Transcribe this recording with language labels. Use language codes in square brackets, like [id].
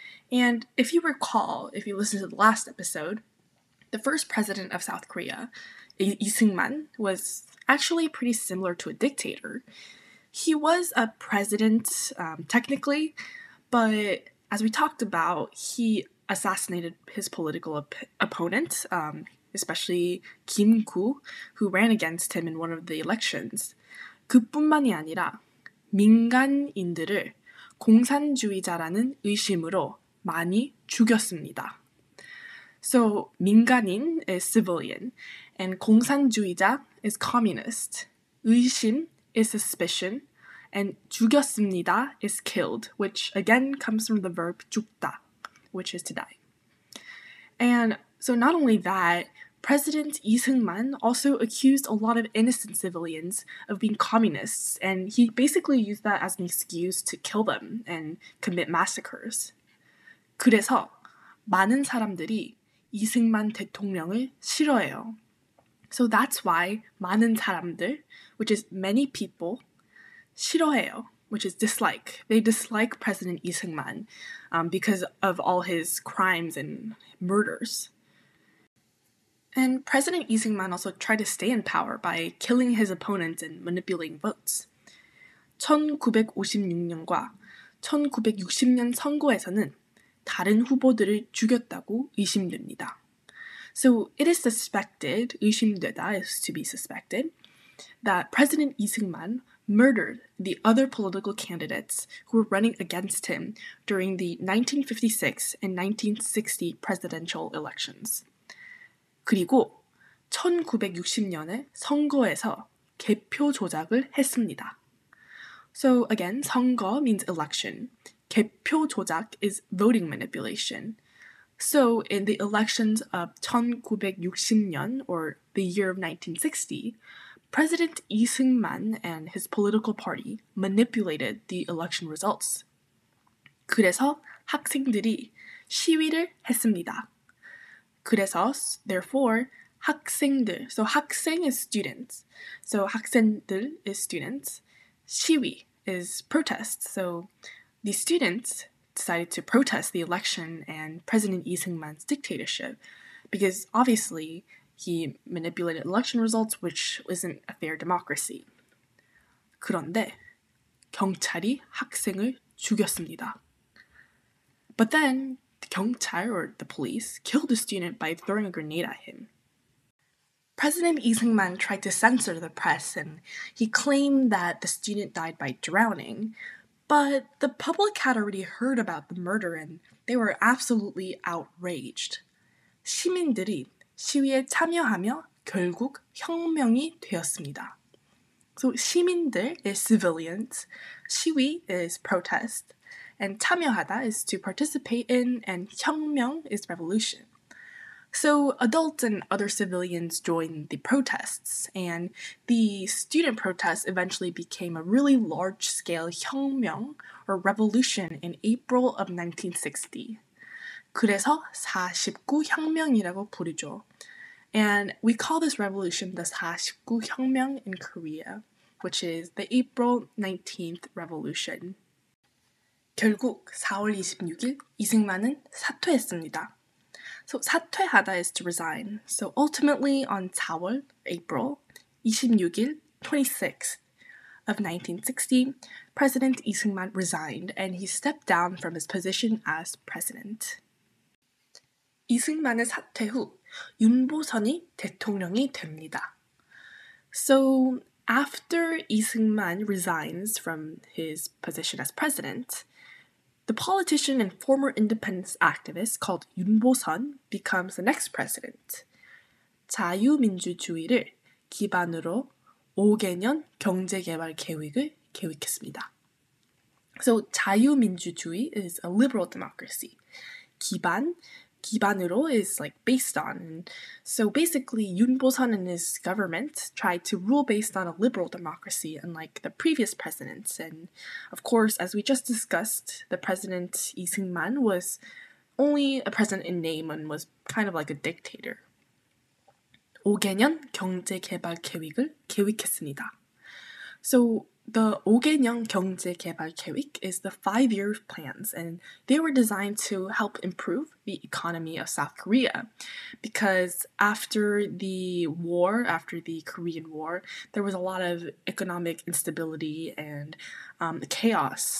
[en] And if you recall, if you listened to the last episode, the first president of South Korea, Lee Sung-man, was actually pretty similar to a dictator. He was a president, technically, but as we talked about, he assassinated his political opponent, especially Kim Gu, who ran against him in one of the elections. [ko] 그뿐만이 아니라 민간인들을 공산주의자라는 의심으로 많이 죽였습니다. [en] So, 민간인 is civilian, and 공산주의자 is communist. 의심 is suspicion, and 죽였습니다 is killed, which again comes from the verb 죽다, which is to die. And so not only that, President Lee Sung-man also accused a lot of innocent civilians of being communists, and he basically used that as an excuse to kill them and commit massacres. [ko] 그래서 많은 사람들이 이승만 대통령을 싫어해요. [en] So that's why [ko] 많은 사람들, [en] which is many people, 싫어해요, which is dislike. They dislike President Lee Sung-man because of all his crimes and murders. And President Lee Sung-man also tried to stay in power by killing his opponents and manipulating votes. [ko] 1956년과 1960년 선거에서는 다른 후보들을 죽였다고 의심됩니다. [en] So it is suspected, 의심되다 is to be suspected, that President Lee Sung-man murdered the other political candidates who were running against him during the 1956 and 1960 presidential elections. [ko] 그리고 1960년에 선거에서 개표 조작을 했습니다. [en] So again, 선거 means election. [ko] 개표 조작 [en] is voting manipulation. So in the elections of 1960년, or the year of 1960, President 이승만 and his political party manipulated the election results. [ko] 그래서 학생들이 시위를 했습니다. [en] 그래서, therefore, 학생들, so 학생 is students, so 학생들 is students, 시위 is protest, so the students decided to protest the election and President 이승만's dictatorship, because obviously he manipulated election results, which isn't a fair democracy. [ko] 그런데 경찰이 학생을 죽였습니다. [en] But then, the 경찰, or the police, killed a student by throwing a grenade at him. President 이승만 tried to censor the press, and he claimed that the student died by drowning, but the public had already heard about the murder, and they were absolutely outraged. [ko] 시민들이 시위에 참여하며 결국 혁명이 되었습니다. [en] So 시민들 is civilians, 시위 is protest, and 참여하다 is to participate in, and 혁명 is revolution. So adults and other civilians joined the protests, and the student protests eventually became a really large-scale 혁명, or revolution, in April of 1960. [ko] 그래서 49 혁명이라고 부르죠. [en] And we call this revolution the [ko] 49 혁명 [en] in Korea, which is the April 19th revolution. [ko] 결국 4월 26일 이승만은 사퇴했습니다. [en] So 사퇴하다 is to resign. So ultimately on 4월, April 26일, 26th of 1960, President 이승만 resigned and he stepped down from his position as president. [ko] 이승만의 사퇴 후 윤보선이 대통령이 됩니다. [en] So after 이승만 resigns from his position as president, the politician and former independence activist called 윤보선 becomes the next president. [ko] 자유민주주의를 기반으로 5개년 경제개발 계획을 계획했습니다. [en] So 자유민주주의 is a liberal democracy. 기반으로 is like based on. So basically, 윤보선 and his government tried to rule based on a liberal democracy, unlike the previous presidents. And of course, as we just discussed, the president 이승만 was only a president in name and was kind of like a dictator. [ko] 5개년 경제개발 계획을 계획했습니다. [en] So the [ko] 5개년 경제개발 계획 [en] is the 5-year plans, and they were designed to help improve the economy of South Korea. Because after the Korean War, there was a lot of economic instability and chaos.